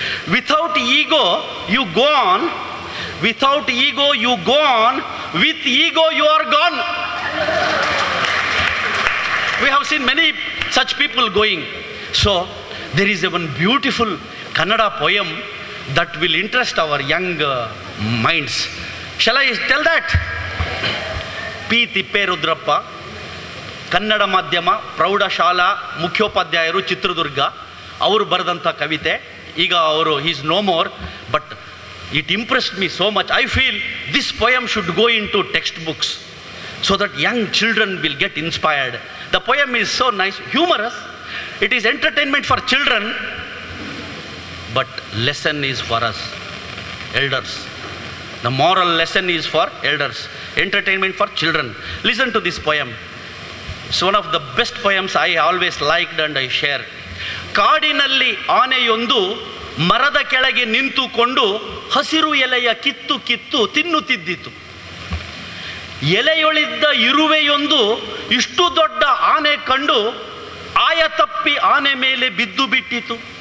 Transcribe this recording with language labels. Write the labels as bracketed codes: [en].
[en] Without ego, you go on. Without ego, you go on. With ego, you are gone. We have seen many such people going. So there is one beautiful Kannada poem that will interest our young minds. Shall I tell that? [kn] P Thipperudrappa Kannada ಮಾಧ್ಯಮ ಪ್ರೌಢಶಾಲಾ ಮುಖ್ಯೋಪಾಧ್ಯಾಯರು ಚಿತ್ರದುರ್ಗ ಅವರು ಬರೆದಂಥ ಕವಿತೆ ಈಗ ಅವರು [en] Is no more but it impressed me so much I feel this poem should go into text books so that young children will get inspired the poem is so nice humorous it is entertainment for children but lesson is for us elders The moral lesson is for elders. Entertainment for children. Listen to this poem. It's one of the best poems I always liked and I share. [kn] ಕಾಡಿನಲ್ಲಿ ಆನೆಯೊಂದು ಮರದ ಕೆಳಗೆ ನಿಂತುಕೊಂಡು ಹಸಿರು ಎಲೆಯ ಕಿತ್ತು ಕಿತ್ತು ತಿನ್ನುತ್ತಿದ್ದಿತು. ಎಲೆಯೊಳಿದ್ದ ಇರುವೆಯೊಂದು ಇಷ್ಟು ದೊಡ್ಡ ಆನೆ ಕಂಡು ಆಯ ತಪ್ಪಿ ಆನೆ ಮೇಲೆ ಬಿದ್ದು ಬಿಟ್ಟಿತು.